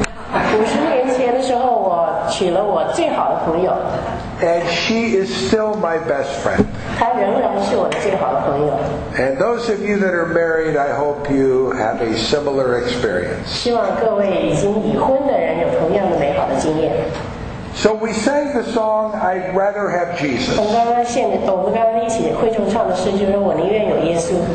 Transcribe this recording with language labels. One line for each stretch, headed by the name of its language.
Chinese: 50年前的时候，我娶了我最好的朋友。
English: And she is still my best friend.
Chinese: 她仍然是我最好的朋友。
English: And those of you that are married, I hope you have a similar experience.
Chinese: 希望各位已经已婚的人有同样的美好的经验。
English: So we sang the song, I'd rather have Jesus.
Chinese: 我们刚刚一起会众唱的诗就是我宁愿有耶稣。